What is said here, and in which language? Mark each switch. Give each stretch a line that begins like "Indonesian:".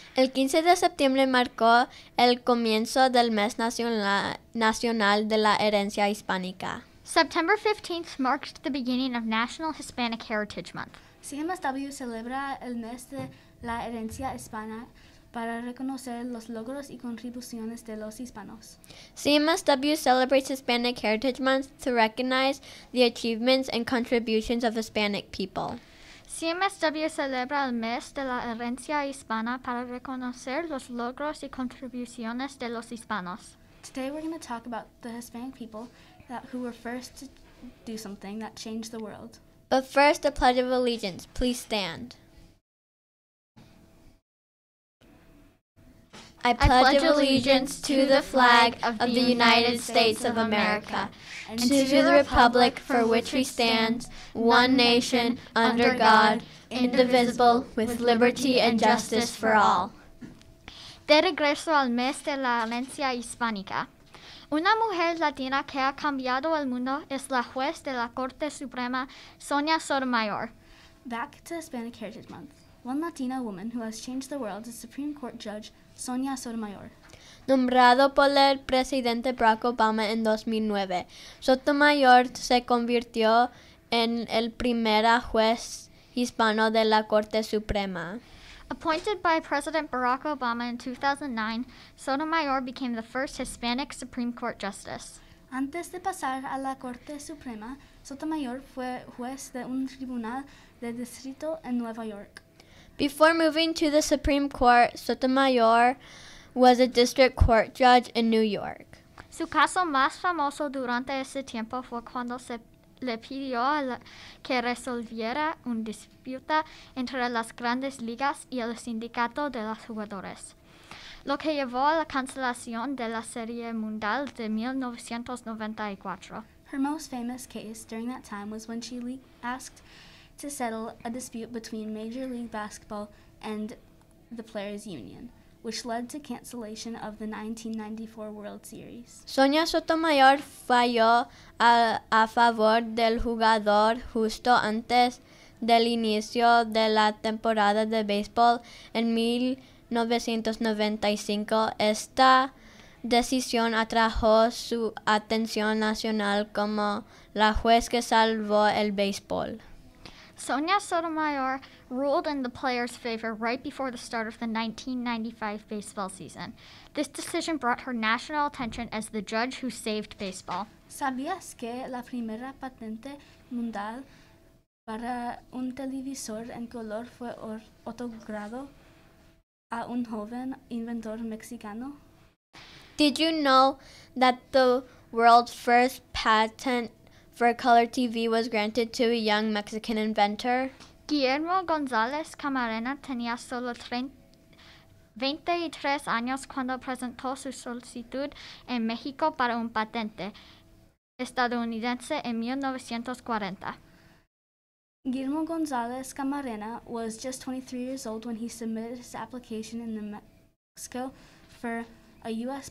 Spanish: El 15 de septiembre marcó el comienzo del mes nacional de la herencia hispánica.
English: September 15th marked the beginning of National Hispanic Heritage Month.
Spanish: CMSW celebra el mes de la herencia hispana para reconocer los logros y contribuciones de los hispanos.
English: CMSW celebrates Hispanic Heritage Month to recognize the achievements and contributions of Hispanic people.
Spanish: CMSW celebra el mes de la herencia hispana para reconocer los logros y contribuciones de los hispanos.
English: Today we're going to talk about the Hispanic people who were first to do something that changed the world. But first, the Pledge of Allegiance. Please stand. I pledge allegiance to the flag of the United States of America, and to the republic for which we stand, one nation, under God, indivisible, with liberty and justice for all.
Spanish: De regreso al mes de la herencia hispánica. Una mujer latina que ha cambiado el mundo es la juez de la Corte Suprema, Sonia Sotomayor.
English: Back to Hispanic Heritage Month. One Latina woman who has changed the world is Supreme Court Judge Sonia Sotomayor.
Spanish: Nombrado por el presidente Barack Obama en 2009, Sotomayor se convirtió en el primera juez hispano de la Corte Suprema.
English: Appointed by President Barack Obama in 2009, Sotomayor became the first Hispanic Supreme Court Justice.
Spanish: Antes de pasar a la Corte Suprema, Sotomayor fue juez de un tribunal de distrito en Nueva York.
English: Before moving to the Supreme Court, Sotomayor was a district court judge in New York.
Spanish: Su caso más famoso durante ese tiempo fue cuando se le pidió que resolviera un disputa entre las grandes ligas y el sindicato de los jugadores, lo que llevó a la cancelación de la Serie Mundial de 1994.
English: Her most famous case during that time was when she asked to settle a dispute between Major League Basketball and the Players Union, which led to cancellation of the 1994 World Series.
Spanish: Sonia Sotomayor falló a favor del jugador justo antes del inicio de la temporada de béisbol en 1995. Esta decisión atrajo su atención nacional como la juez que salvó el béisbol.
English: Sonia Sotomayor ruled in the players' favor right before the start of the 1995 baseball season. This decision brought her national attention as the judge who saved baseball.
Spanish: ¿Sabías que la primera patente mundial para un televisor en color fue otorgado a un joven inventor mexicano?
English: Did you know that the world's first patent for color TV was granted to a young Mexican inventor?
Spanish: Guillermo González Camarena tenía solo 23 años cuando presentó su solicitud en México para un patente estadounidense en 1940.
English: Guillermo González Camarena was just 23 years old when he submitted his application in Mexico for a U.S.